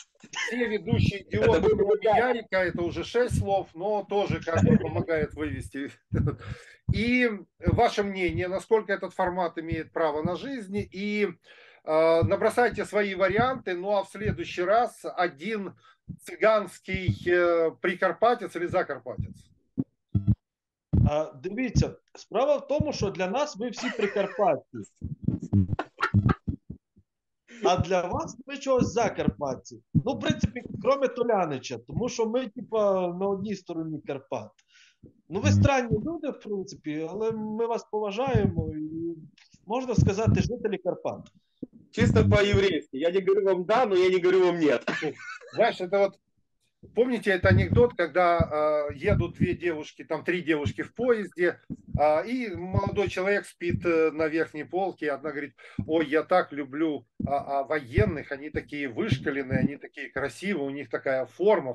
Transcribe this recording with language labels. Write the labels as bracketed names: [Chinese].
[Russian] Все ведущие идиоты, кроме Ярика, это уже 6 слов, но тоже как бы помогает вывести. И ваше мнение, насколько этот формат имеет право на жизнь, и набросайте свои варианты, ну а в следующий раз один цыганский прикарпатец или закарпатец. [Ukrainian] Дивіться, справа в тому, що для нас ми всі прикарпатці. А для вас ми чогось закарпатці. Ну, в принципі, кроме Толянича, тому що ми, типа, на одній стороні Карпат. Ну, ви странні люди, в принципі, але ми вас поважаємо. І можна сказати, жителі Карпат. Чисто по-єврейськи. [Russian] Я не говорю вам да, но я не говорю вам нет. [Ukrainian] Знаєш, це от... [Russian] Помните этот анекдот, когда едут две девушки, там три девушки в поезде, и молодой человек спит на верхней полке, и одна говорит: ой, я так люблю военных, они такие вышколенные, они такие красивые, у них такая форма.